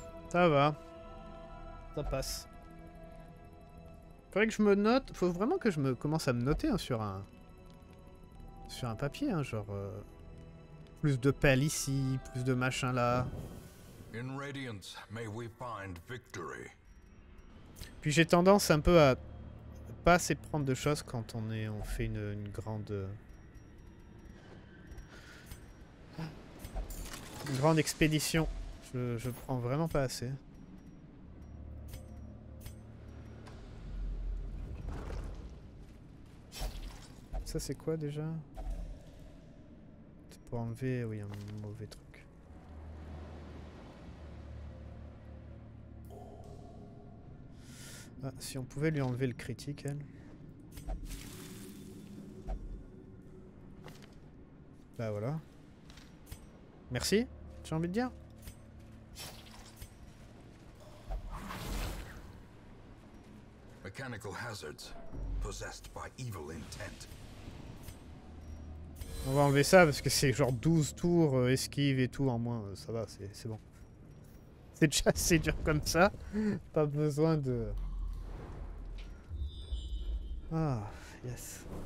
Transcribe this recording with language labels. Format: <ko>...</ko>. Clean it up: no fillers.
<fr>Ça va. Ça passe. Faudrait que je me note. Faut vraiment que je me commence à me noter hein, sur un papier, hein, genre plus de pelles ici, plus de machin là.</fr> <en>In Radiance, may we find victory.</en> <fr>Puis j'ai tendance un peu à pas assez prendre de choses quand on fait une grande expédition. Je prends vraiment pas assez. Ça c'est quoi déjà? C'est pour enlever, oui, un mauvais truc. Ah, si on pouvait lui enlever le critique, elle. Bah voilà. Merci, j'ai envie de dire.</fr> <en>Mechanical hazards possessed by evil intent.</en> <fr>On va enlever ça parce que c'est genre 12 tours esquive et tout en moins, ça va, c'est bon. C'est déjà assez dur comme ça, pas besoin de...</fr> <en>Ah, yes.</en>